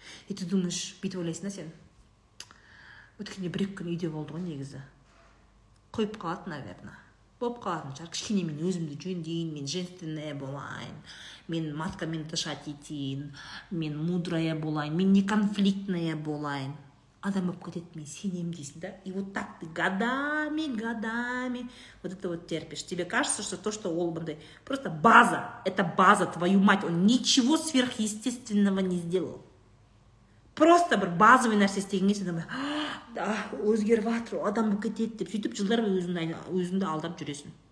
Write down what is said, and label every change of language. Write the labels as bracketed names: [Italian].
[Russian] И ты думаешь, [Kazakh] бүйтіп ойлайсың да сен, өткенде бір екі күн үйде болды ғой негізі, қойып қалады, наверное, болып қалатын шығар, кішкене мен өзімді жөндейін, мен женственная болайын, мен маткамен дышать етейін, мен мудрая болайын, мен не конфликтная болайын. Адам болып кетеді, мен сенемін дейсің да, [Russian] и вот так ты годами вот это вот терпишь. Тебе кажется, что то, что [Kazakh] ол бандай, [Russian] просто база, это база, твою мать, он ничего сверхъестественного не сделал. [Kazakh] Просто бір базовый нәрсе істеген кезде [Russian] думаю, да, [Kazakh] өзгеріп жатыр, адам болып кетеді деп сөйтіп жылдар бойы өзіңді алдап жүресің.